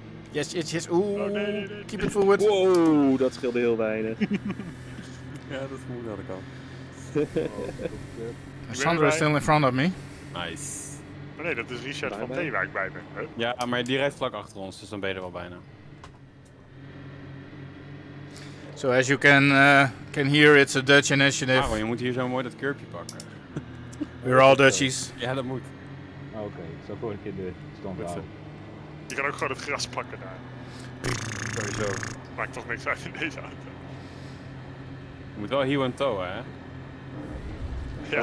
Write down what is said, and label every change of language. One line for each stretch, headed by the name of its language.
English: Yes, yes, yes. Oeh.
Dutch: Oh, nee.
English: Keep it forward.
Dutch: Wow, dat scheelde heel weinig. Ja, dat vermoed ik al.
English: Sandra is still in front of me. Nice.
Dutch: Maar nee, dat is Richard van Theewijk bij me. Ja, maar die rijdt vlak achter ons, dus dan ben je er wel bijna.
English: So as you can hear, it's a Dutch initiative.
Dutch: Ah, je moet hier zo mooi dat curbje pakken.
English: We're all Dutchies.
Dutch: Ja, dat moet. Oké, zo voor een keer de standaard. Je kan ook gewoon het gras pakken daar. Sowieso. Maakt toch niks uit in deze auto. Je moet wel hier en toe, hè?